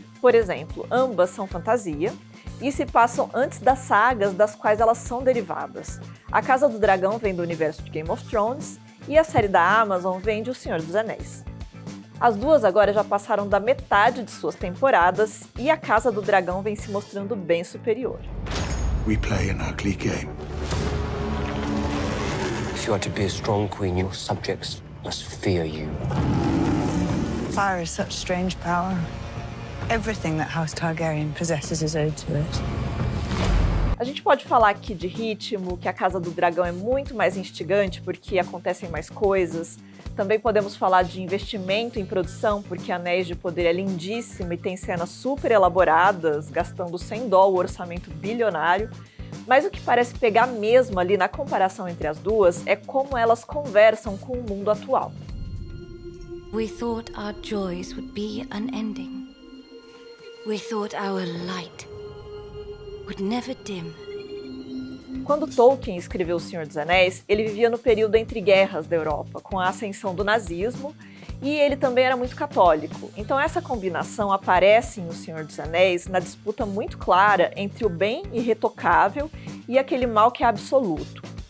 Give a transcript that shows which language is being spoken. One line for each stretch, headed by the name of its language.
Portuguese: Por exemplo, ambas são fantasia e se passam antes das sagas das quais elas são derivadas. A Casa do Dragão vem do universo de Game of Thrones e a série da Amazon vem de O Senhor dos Anéis. As duas agora já passaram da metade de suas temporadas e A Casa do Dragão vem se mostrando bem superior.
English: We play an ugly game. If you are to be a strong queen, your subjects must fear you. Fire is such strange power. Everything that House Targaryen possesses is owed to it.
Portuguese: A gente pode falar aqui de ritmo, que A Casa do Dragão é muito mais instigante porque acontecem mais coisas. Também podemos falar de investimento em produção, porque Anéis de Poder é lindíssimo e tem cenas super elaboradas, gastando sem dó o orçamento bilionário. Mas o que parece pegar mesmo ali na comparação entre as duas é como elas conversam com o mundo atual.
English: We thought our joys would be unending. We thought our light would never dim.
Portuguese: Quando Tolkien escreveu O Senhor dos Anéis, ele vivia no período entre guerras da Europa, com a ascensão do nazismo, e ele também era muito católico. Então essa combinação aparece em O Senhor dos Anéis na disputa muito clara entre o bem irretocável e aquele mal que é absoluto.